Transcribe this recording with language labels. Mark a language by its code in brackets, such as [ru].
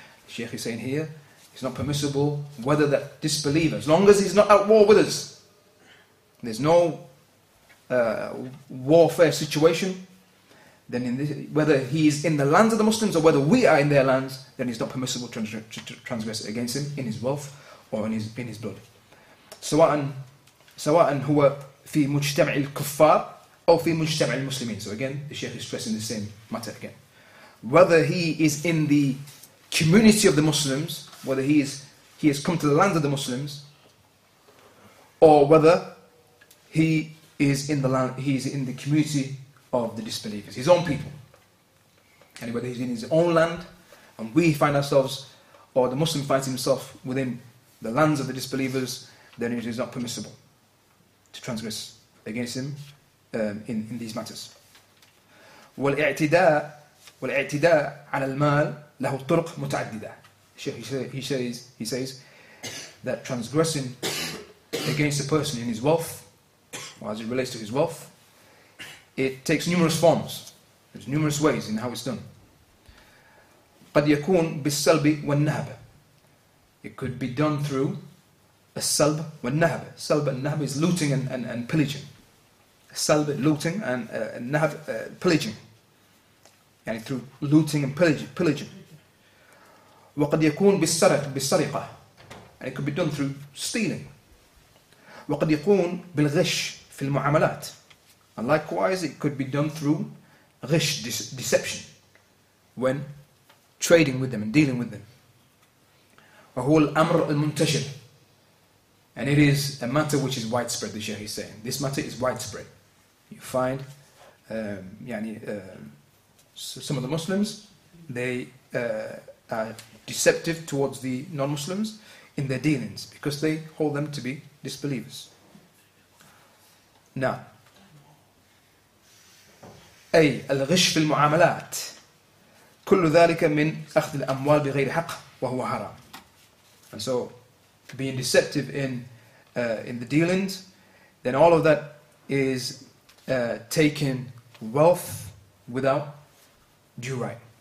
[en] Sheikh is saying here, it's not permissible whether that disbeliever, as long as he's not at war with us, there's no warfare situation, then whether he is in the lands of the Muslims or whether we are in their lands, then it's not permissible to transgress against him in his wealth or in his blood. [ar] سواءً هو في مجتمع الكفار أو في مجتمع المسلمين. [en] So again, the Shaykh is stressing the same matter again. Whether he is in the community of the Muslims, whether he has come to the land of the Muslims, or whether he is in the land, he is in the community of the disbelievers, his own people. And whether he's in his own land, and we find ourselves, or the Muslim finds himself within the lands of the disbelievers, then it is not permissible to transgress against him in these matters. [ar] والاعتداء على المال له طرق متعددة. [en] He says that transgressing against a person in his wealth, or as it relates to his wealth, it takes numerous forms. There's numerous ways in how it's done. [ar] قد يكون بالسلب والنهب. [en] It could be done through السلب والنهب. السلب والنهب is looting and pillaging. السلب looting and النهب pillaging. يعني through looting and pillaging. [ar] وقد يكون بالسرق بالسرقة. [en] And it could be done through stealing. [ar] وقد يكون بالغش في المعاملات. [en] And likewise, it could be done through غش deception when trading with them and dealing with them. [ar] وهو الأمر المنتشر. [en] And it is a matter which is widespread, the Shaykh is saying. This matter is widespread. You find some of the Muslims, they are deceptive towards the non-Muslims in their dealings because they hold them to be disbelievers. [ar] Now, أي الغش في المعاملات كل ذلك من أخذ الأموال بغير حق وهو حرام. [en] And so, being deceptive in the dealings, then all of that is taking wealth without due right.